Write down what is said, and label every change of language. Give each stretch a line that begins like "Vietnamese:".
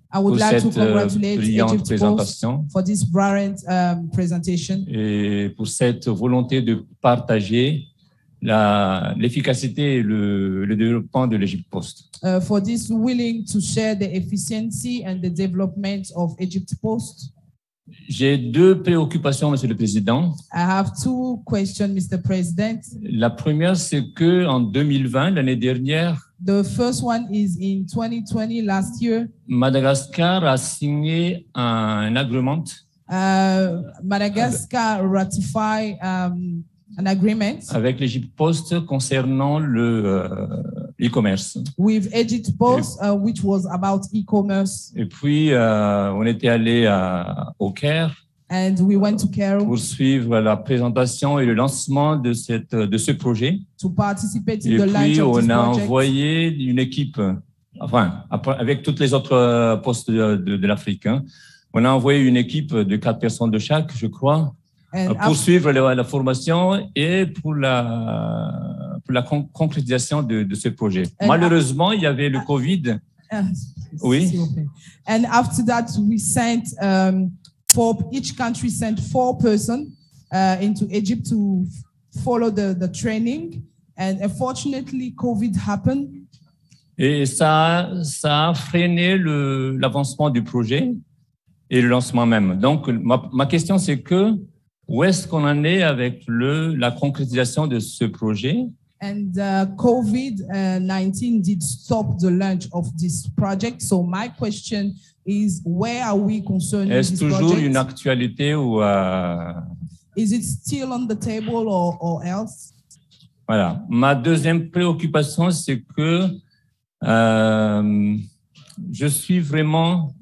English: I would like to congratulate Egypt Post for this brilliant presentation.
French: Et pour cette volonté de partager l'efficacité et le développement de l'Egypt Post.
English: For this willing to share the efficiency and the development of Egypt Post.
French: J'ai deux préoccupations, Monsieur le Président.
English: I have two questions, Mr. President.
French: La première, c'est que en 2020, l'année dernière,
English: the first one is in 2020, last year,
French: Madagascar a signé un agreement.
English: Madagascar ratified an agreement
French: avec l'Egypt Post concernant le e-commerce.
English: With Egypt Post, which was about e-commerce.
French: Et puis on était allé au Caire.
English: And we went to Cairo
French: pour suivre la présentation et le lancement de ce projet.
English: To participate in
French: et
English: the launch of this project.
French: Et puis on a envoyé une équipe, enfin avec toutes les autres postes de l'Afrique, hein. On a envoyé une équipe de 4 personnes de chaque, je crois. And pour suivre la formation et pour la concrétisation de ce projet. Malheureusement, il y avait le COVID. Oui.
English: And after that, we sent for each country sent 4 persons into Egypt to follow the training. And unfortunately, COVID happened.
French: Et ça a freiné l'avancement du projet et le lancement même. Donc, ma question, c'est que où est-ce qu'on en est avec la concrétisation de ce projet?
English: And COVID-19 did stop the launch of this project. So my question is, where are we concerning this project?
French: Est-ce toujours une actualité ou...
English: Is it still on the table or else?
French: Voilà. Ma deuxième préoccupation, c'est que je suis vraiment...